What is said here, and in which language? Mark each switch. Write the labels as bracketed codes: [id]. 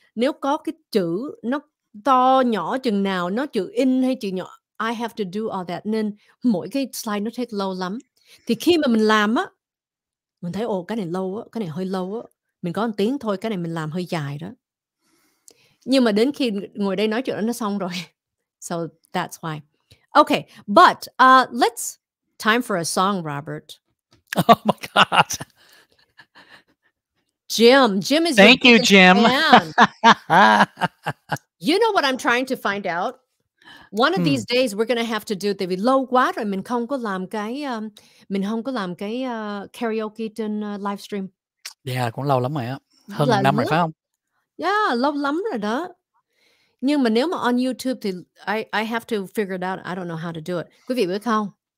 [vi] Nếu có cái chữ nó to nhỏ chừng nào, nó chữ in hay chữ nhỏ, [en] I have to do all that. [vi] Nên mỗi cái slide nó take lâu lắm. Thì khi mà mình làm á, mình thấy ồ cái này lâu á, cái này hơi lâu á. Mình có 1 tiếng thôi, cái này mình làm hơi dài đó. Nhưng mà đến khi ngồi đây nói chuyện nó xong rồi. [en] So that's why. Okay, but let's time for a song, Robert. Oh my God. Jim is thank you, Jim. You know what I'm trying to find out? One of these days we're going to have to do the low water. [vi] Mình không có làm cái karaoke trên live stream. Yeah, cũng lâu lắm rồi á. Hơn là năm rồi phải không? [en] Yeah, [vi] lâu lắm rồi đó. Nhưng mà nếu mà [en] on YouTube thì I have to figure it out. I don't know how to do it. [vi] Quý vị biết không?